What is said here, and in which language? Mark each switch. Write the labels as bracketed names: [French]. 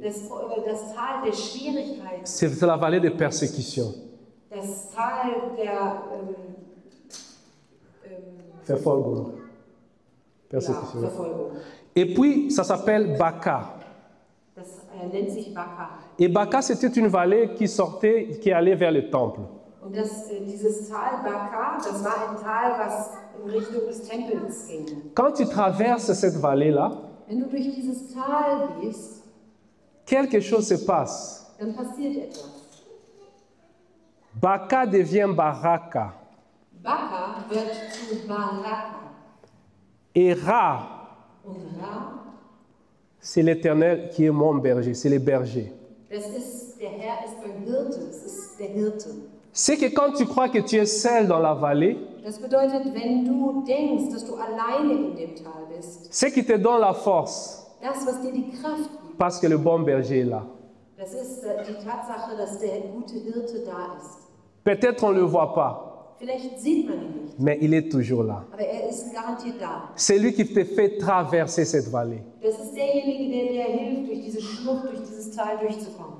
[German] Das Tal der Schwierigkeiten. [French] C'est la vallée des persécutions. [German] Der das Tal der Verfolgung. Persekution. [French] Et puis, ça s'appelle Baca. [German] Das nennt sich Baca. [French] Et Baca, c'était une vallée qui sortait, qui allait vers le temple. [German] Und das, dieses Tal Baca, das war ein Tal, was in Richtung des Tempels ging. [French] Quand tu traverses cette vallée-là, [German] wenn du durch dieses Tal gehst, [French] quelque chose se passe. [German] Dann passiert etwas. [French] Baca devient Baraka. [German] Baca wird zu Baraka. [French] Et Ra. [German] Und Ra. [French] C'est l'Éternel qui est mon berger, c'est le berger. [German] Das ist der Herr, ist mein Hirte, das ist der Hirte. [French] C'est que quand tu crois que tu es seul dans la vallée, [German] das bedeutet, wenn du denkst, dass du alleine in dem Tal bist. [French] C'est qui te donne la force. [German] Das, was dir die Kraft gibt. [French] Parce que le bon berger est là. [German] Das ist die Tatsache, dass der gute Hirte da ist. [French] Peut-être on le voit pas. [German] Vielleicht sieht man ihn nicht. [French] Mais il est toujours là. [German] Aber er ist garantiert da. [French] C'est lui qui te fait traverser cette vallée. [German] Das ist derjenige, der dir hilft, durch diese Schlucht, durch dieses Tal durchzukommen.